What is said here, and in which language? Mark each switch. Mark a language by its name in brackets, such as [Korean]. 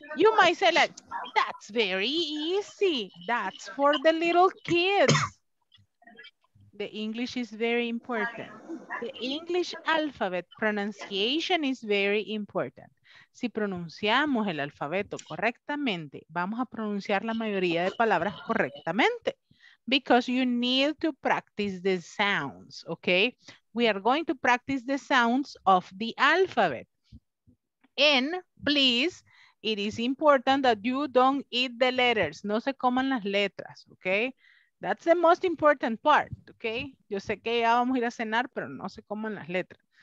[English] You might say like, that's very easy. That's for the little kids. The English is very important. The English alphabet pronunciation is very important. [Spanish] Si pronunciamos el alfabeto correctamente, vamos a pronunciar la mayoría de palabras correctamente. [English] Because you need to practice the sounds, okay? We are going to practice the sounds of the alphabet. And please, it is important that you don't eat the letters. [Spanish] No se coman las letras, [English] okay? That's the most important part, okay? [Spanish] Yo sé que ya vamos a ir a cenar, pero no se coman las letras.